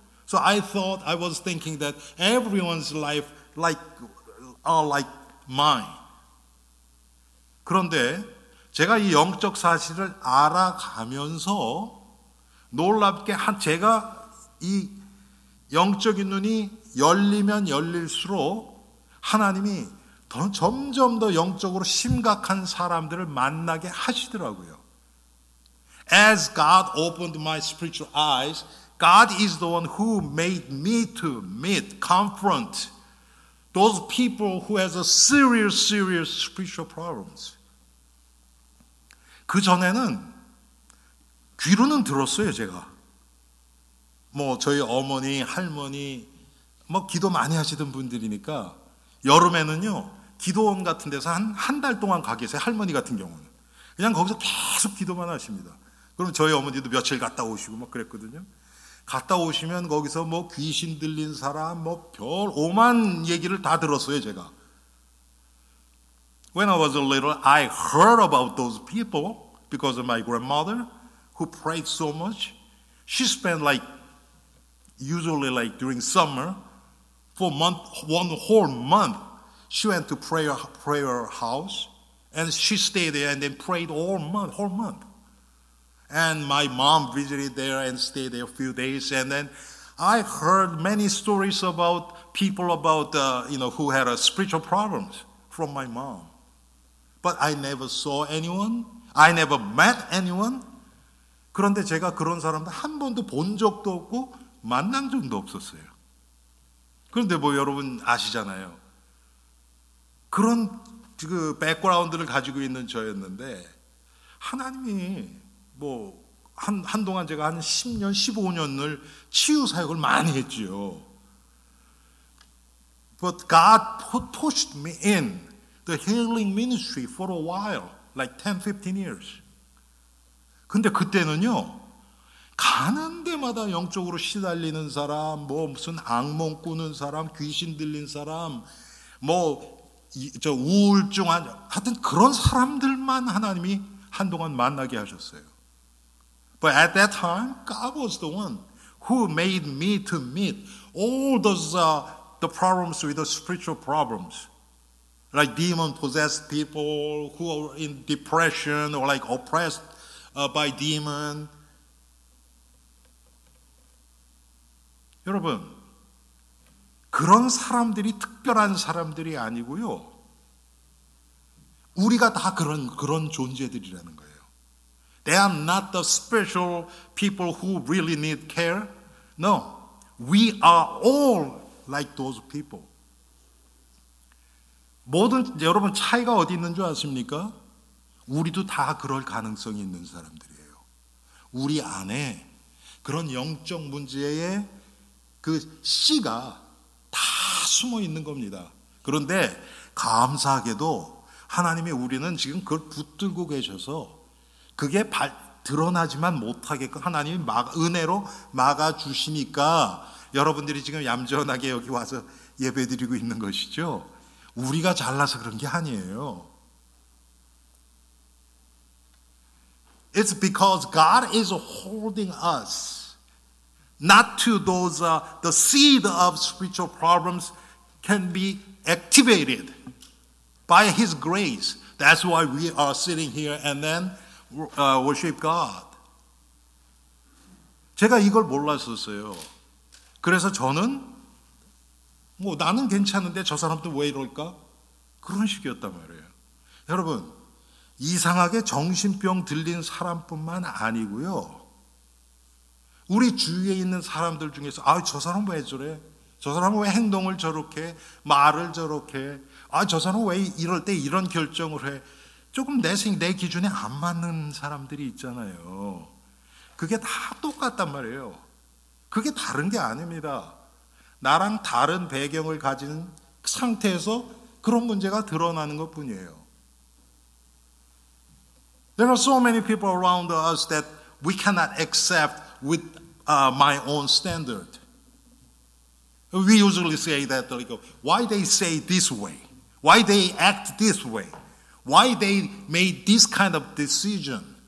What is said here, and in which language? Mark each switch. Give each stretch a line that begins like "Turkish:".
English: So I was thinking that everyone's life are like mine.
Korean: 그런데 제가 이 영적 사실을 알아가면서 놀랍게 제가 이 영적인 눈이 열리면 열릴수록 하나님이 점점 더 영적으로 심각한 사람들을 만나게 하시더라고요.
English: As God opened my spiritual eyes, God is the one who made me to meet, confront those people who has a serious, serious spiritual problems.
Korean: 그 전에는 귀로는 들었어요, 제가. 뭐 저희 어머니, 할머니, 뭐 기도 많이 하시던 분들이니까 여름에는요 기도원 같은 데서 한 달 동안 가 계세요. 할머니 같은 경우는 그냥 거기서 계속 기도만 하십니다. 그럼 저희 어머니도 며칠 갔다 오시고 막 그랬거든요. 갔다 오시면 거기서 뭐 귀신 들린 사람 뭐 별 오만 얘기를 다 들었어요, 제가.
English: When I was a little, I heard about those people because of my grandmother who prayed so much. She spent like usually like during summer for month one whole month. She went to prayer house and she stayed there and then prayed whole month. And my mom visited there and stayed there a few days. And then I heard many stories about people about you know who had a spiritual problems from my mom. But I never saw anyone. I never met anyone.
Korean: 그런데 제가 그런 사람들 한 번도 본 적도 없고 만난 적도 없었어요. 그런데 뭐 여러분 아시잖아요. 그런 그 백그라운드를 가지고 있는 저였는데 하나님이 뭐 한동안 제가 한 10년, 15년을 치유 사역을 많이 했지요.
English: But God pushed me in the healing ministry for a while, like 10, 15 years.
Korean: 근데 그때는요. 가는 데마다 영적으로 시달리는 사람, 뭐 무슨 악몽 꾸는 사람, 귀신 들린 사람, 뭐 저 우울증한 하여튼 그런 사람들만 하나님이 한동안 만나게 하셨어요.
English: But at that time, God was the one who made me to meet all those the problems with the spiritual problems, like demon possessed people who are in depression or like oppressed by demon.
Korean: 여러분, 그런 사람들이 특별한 사람들이 아니고요. 우리가 다 그런 존재들이라는 거예요.
English: They are not the special people who really need care. No, we are all like those people.
Korean: 모든 여러분 차이가 어디 있는 줄 아십니까? 우리도 다 그럴 가능성이 있는 사람들이에요. 우리 안에 그런 영적 문제의 그 씨가 다 숨어 있는 겁니다. 그런데 감사하게도 하나님이 우리는 지금 그걸 붙들고 계셔서 그게 드러나지만 못하게끔 하나님이 은혜로 막아주시니까 여러분들이 지금 얌전하게 여기 와서 예배드리고 있는 것이죠. 우리가 잘나서 그런 게 아니에요.
English: It's because God is holding us not to those the seed of spiritual problems can be activated by his grace. That's why we are sitting here and then worship God.
Korean: 제가 이걸 몰랐었어요. 그래서 저는 뭐 나는 괜찮은데 저 사람도 왜 이럴까? 그런 식이었단 말이에요. 여러분, 이상하게 정신병 들린 사람뿐만 아니고요. 우리 주위에 있는 사람들 중에서 아, 저 사람 왜 저래? 저 사람은 왜 행동을 저렇게 말을 저렇게 아, 저 사람은 왜 이럴 때 이런 결정을 해? 조금 내 기준에 안 맞는 사람들이 있잖아요. 그게 다 똑같단 말이에요. 그게 다른 게 아닙니다. 나랑 다른 배경을 가진 상태에서 그런 문제가 드러나는 것뿐이에요.
English: There are so many people around us that we cannot accept with my own standard. We usually say that, like, why they say this way? Why they act this way? Why they made this kind of decision?